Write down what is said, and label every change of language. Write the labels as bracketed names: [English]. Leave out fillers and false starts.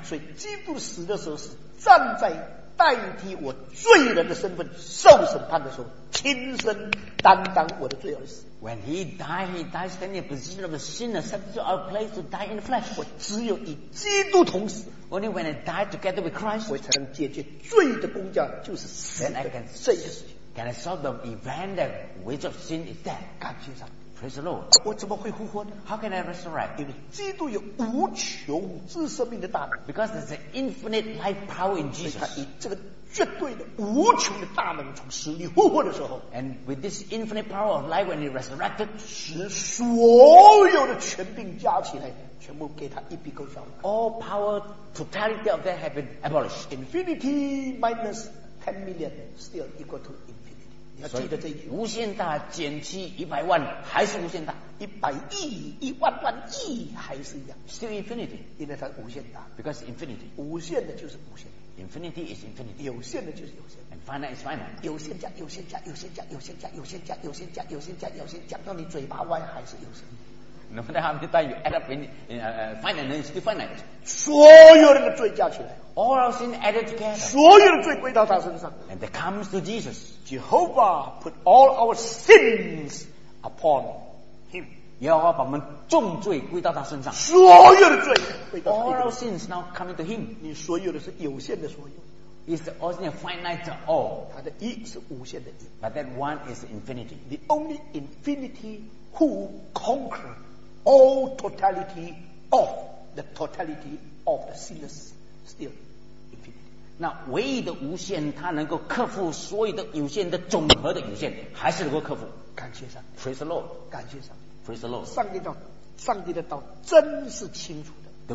[Chinese] 所以基督死的时候是站在代替我罪人的身份受审判的时候，亲身担当我的罪而死。 [English] When he died standing in the position of a sinner, substitute our place to die in the flesh. [Chinese] 我只有与基督同死。 [English] Only when I die together with Christ, [Chinese] 我才能解决罪的工价，就是死。 [English] Then I can say this. Can I solve the event that wage of sin is death? [Chinese] 感谢上。 [English] Praise the Lord. [Chinese] 我怎么会复活呢？ [English] How can I resurrect? [Chinese] 因为基督有无穷至生命的大能。 [English] Because there's an infinite life power in Jesus. [Chinese] 所以他以这个绝对的无穷的大能从死里复活的时候。 [English] And with this infinite power of life when he resurrected, [Chinese] 使所有的权柄加起来全部给他一笔勾销。 [English] All power, totality of that have been abolished. Infinity minus 10 million still equal to infinity. [Chinese] 所以无限大减去100万还是无限大。一百亿、一万万亿还是一样 [English] ，still infinity， [Chinese] 因为它无限大 [English] ，because infinity， [Chinese] 无限的就是无限 [English] ，infinity is infinity， [Chinese] 有限的就是有限 [English] ，and finite is finite， [Chinese] 有限加有限加有限加有限加有限加有限加有限加有限，讲到你嘴巴歪还是有限。 [English] No matter how many times you add up in finite, it's still finite. [Chinese] 所有人的罪加起来 [English] all our sin added together. [Chinese] 所有的罪归到他身上 [English] and it comes to Jesus. Jehovah put all our sins upon him. [Chinese] 耶和华把我们重罪归到他身上所有的罪归到他身上 [English] all our sins now coming to him. [Chinese] 你所有的是有限的所有 [English] It's only a finite all. [Chinese] 他的一是无限的一 [English] But that one is infinity. The only infinity who conquered. All totality of the totality of the sinners still infinite. [Chinese] Now, 唯一的无限，它能够克服所有的有限的总和的有限，还是能够克服。感谢上帝。 [English] Praise the Lord. [Chinese] 感谢上帝。 [English] Praise the Lord. [Chinese] 上帝的道，上帝的道真是清楚的。